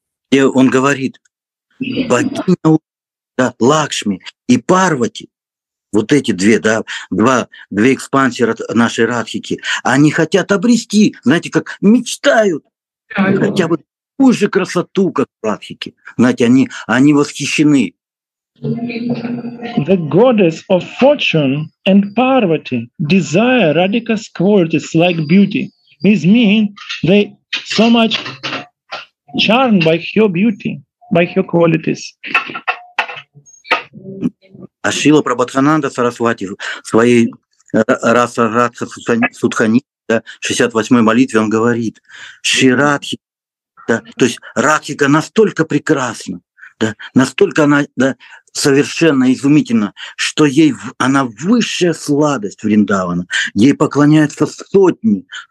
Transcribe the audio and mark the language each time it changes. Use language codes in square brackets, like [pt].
[ru] И он говорит: богиня, да, Лакшми и Парвати, вот эти две, да, две экспансии нашей Радхики, они хотят обрести, знаете, как мечтают, хотя бы такую же красоту, как Радхики. Знаете, они восхищены. [en] The goddess of fortune and Parvati desire Radhika's qualities like beauty. This means they so much charmed by her beauty, by her qualities. [ru] А Шрила Прабхатхананда Сарасвати в своей Раса Радха Судхани, да, 68-й молитве, он говорит, Шри Радхи, да, то есть Радхика настолько прекрасна, да, настолько она, да, совершенно изумительна, что ей она высшая сладость Вриндавана, ей поклоняются сотни,